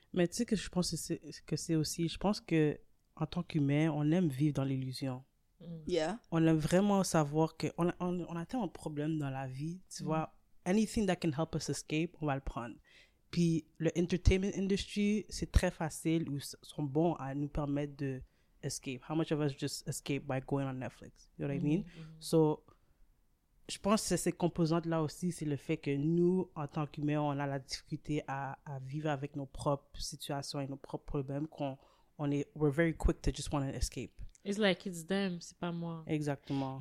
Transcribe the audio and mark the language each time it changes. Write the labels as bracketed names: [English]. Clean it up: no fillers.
[French] Mais tu sais que je pense que c'est aussi, je pense que en tant qu'humain, on aime vivre dans l'illusion. On aime vraiment savoir que on a tellement de problèmes dans la vie, tu vois. [English] Anything that can help us escape, [French] on va le prendre. Puis le entertainment industry, c'est très facile ou sont bons à nous permettre de escape. [English] How much of us just escape by going on Netflix? You know what I mean? [French] So je pense que ces composantes-là aussi, c'est le fait que nous, en tant qu'humains, on a la difficulté à vivre avec nos propres situations et nos propres problèmes, qu'on on est, [English] we're very quick to just want to escape. It's like, it's them, [French] c'est pas moi. Exactement.